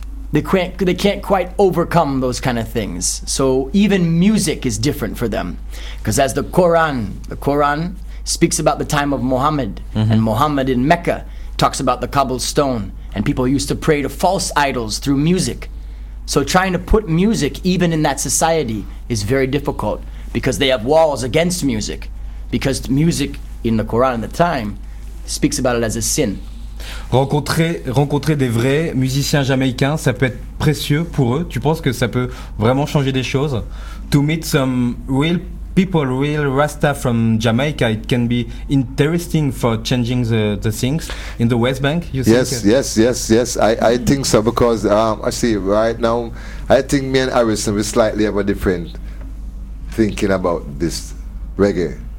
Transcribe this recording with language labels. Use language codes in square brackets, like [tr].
[en] They can't quite overcome those kind of things. So even music is different for them, because as the Quran speaks about the time of Muhammad, and Muhammad in Mecca talks about the cobblestone, and people used to pray to false idols through music. So trying to put music even in that society is very difficult because they have walls against music, because music in the Quran at the time speaks about it as a sin. [fr] Rencontrer des vrais musiciens jamaïcains, ça peut être précieux pour eux. Tu penses que ça peut vraiment changer des choses? [en] To meet some real people, real Rasta from Jamaica, it can be interesting for changing the things in the West Bank, you think? Yes. I think so, because right now, I think me and Harrison, we slightly have a different thinking about this reggae.